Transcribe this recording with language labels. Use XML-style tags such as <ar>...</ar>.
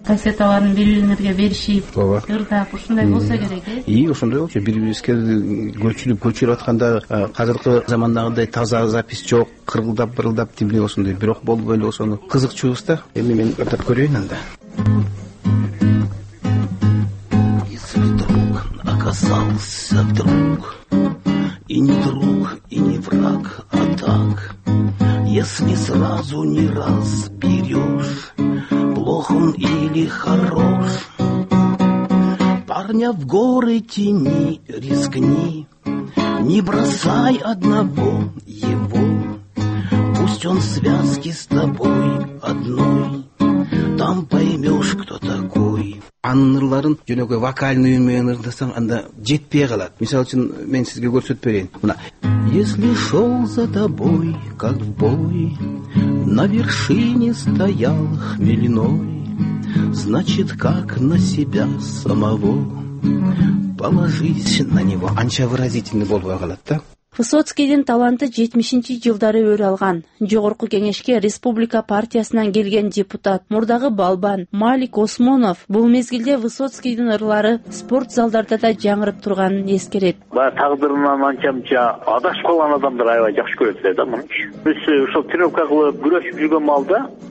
<ky>Кассеталарын белгилерге беришип, ырдап ушундай болсо керек э. И ошондой болчу, бири бирибизге көчүрүп көчүрүп атканда азыркы замандагындай таза запись жок, кыргылдап бырылдап тимне ошондой, бирок болуп эле ошону кызыкчубуз да. Эми мен ырдап көрөйүн анда.</ky> <ru>Если друг оказался вдруг, и не друг, и не враг, а так, если сразу не разберешь, плох он или хорош, парня в горы тяни, рискни. Не бросай одного его, пусть он в связке с тобой одной, там поймешь, кто такой.</ru> <ky>Анын ырларын жөнөкөй вокальный үн менен ырдасаң анда жетпей калат. Мисалы үчүн мен сизге көрсөтүп берейин. Мына:</ky> <ru>если шел за тобой, как в бой, на вершине стоял хмельной, значит, как на себя самого. Положись на него.</ru> <ky>Анча выразительный болбой калат да. Высоцкийдин таланты 70-жылдары өрө алган. Жогорку кеңешке Республика партиясынан келген депутат, мурдагы балбан Малик Осмонов бул мезгилде Высоцкийдин ырлары спорт залдарда да жаңырып турганын эскерет. Баягы тагдырынан анчамча адашып калган адамдар аябай жакшы көрөт эле да муну. Биз ушул тренировка кылып, күрөшүп жүргөн малда</ky>